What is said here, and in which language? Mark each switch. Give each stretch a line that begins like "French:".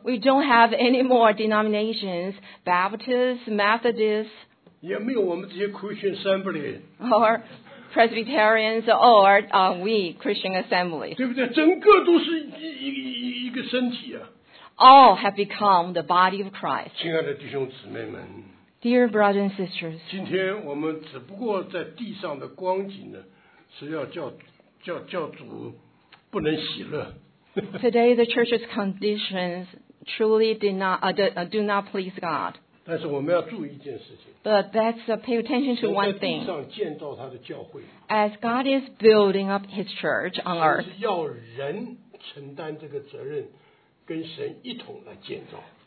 English: We don't have any more denominations, Baptists, Methodists.
Chinese: 也没有我们这些 Christian Assembly
English: or Presbyterians or、we Christian Assembly
Chinese: 对不对整个都是 一个身体、啊、
English: All have become the body of Christ
Chinese: 亲爱的弟兄姊妹们
English: Dear brothers and sisters
Chinese: 今天我们只不过在地上的光景呢是要 叫主不能喜乐
English: Today the church's conditions truly do not please God
Chinese: 但是我们要注意一件事情
English: But that's a pay attention to one thing.
Chinese: 神在地上建造他的教会
English: As God is building up his church on earth.
Chinese: 神是要人承担这个责任跟神一同来建造